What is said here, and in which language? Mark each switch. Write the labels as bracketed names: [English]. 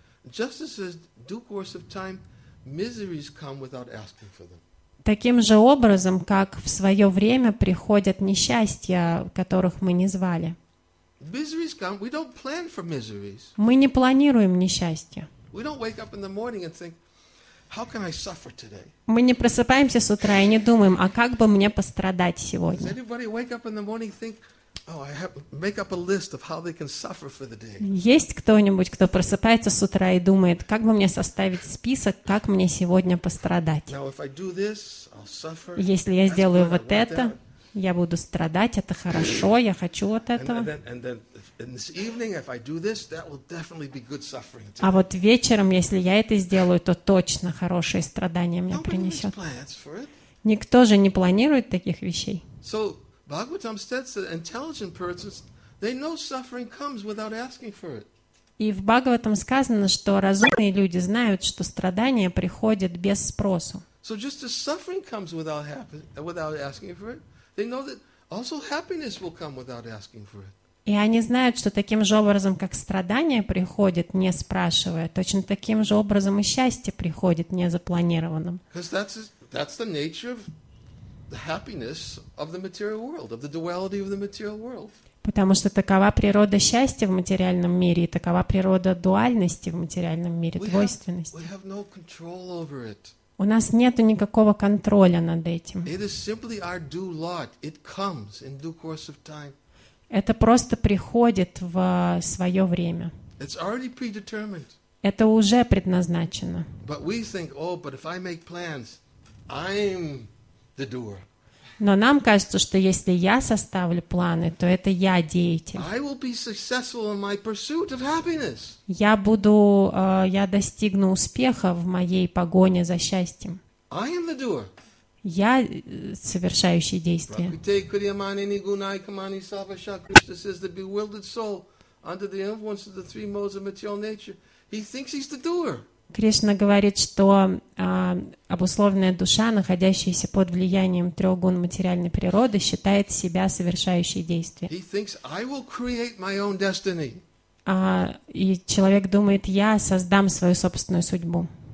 [English] Just as in due course of time, miseries come without asking for them. [Russian] Таким же образом, как в свое время приходят несчастья, которых мы не звали. [English] Miseries come, we don't plan for miseries. [Russian] Мы не планируем несчастья. [English] We don't wake up in the morning and think, how can I suffer today? [Russian] Мы не просыпаемся с утра и не думаем, а как бы мне пострадать сегодня? [English] Does anybody wake up in the morning and think, oh, I have to make up a list of how they can suffer for the day? [Russian] Есть кто-нибудь, кто просыпается с утра и думает, как бы мне составить список, как мне сегодня пострадать? [English] Now, if I do this, I'll suffer. [Russian] Если я сделаю вот это, я буду страдать, это хорошо, я хочу вот этого. [English] And then this evening, if I do this, that will definitely be good suffering. [Russian] А вот вечером, если я это сделаю, то точно хорошие страдания мне принесет. Никто же не планирует таких вещей. [English] So, Bhagavatam states that intelligent persons, they know suffering comes without asking for it. [Russian] И в Бхагаватам сказано, что разумные люди знают, что страдания приходят без спросу. [English] So just as suffering comes without asking for it, they know that also happiness will come without asking for it. [Russian] И они знают, что таким же образом, как страдания приходят, не спрашивая, точно таким же образом и счастье приходит незапланированным. [English] Because that's the nature of the happiness of the material world, of the duality of the material world. [Russian] Потому что такова природа счастья в материальном мире и такова природа дуальности в материальном мире, двойственности. [English] We have no control over it. [Russian] У нас нету никакого контроля над этим. [English] It is simply our due lot. It comes in due course of time. [Russian] Это просто приходит в свое время. [English] It's already predetermined. [Russian] Это уже предназначено. [English] But we think, oh, but if I make plans, I'm the doer. [Russian] Но нам кажется, что если я составлю планы, то это я деятель. [English] I will be successful in my pursuit of happiness. [Russian] Я буду, я достигну успеха в моей погоне за счастьем. [English] I am the doer. [Russian] Я совершающий действие. [Sanskrit] Prakriti kriyamani nigunai kamani savasha. [English] Krishna says the bewildered soul under the influence of the three modes of material nature. He thinks he's the doer. [Russian] Кришна говорит, что обусловленная душа, находящаяся под влиянием трех гун материальной природы, считает себя совершающей действие. [English] He thinks, I will create my own destiny. [Russian] И человек думает, я создам свою собственную судьбу.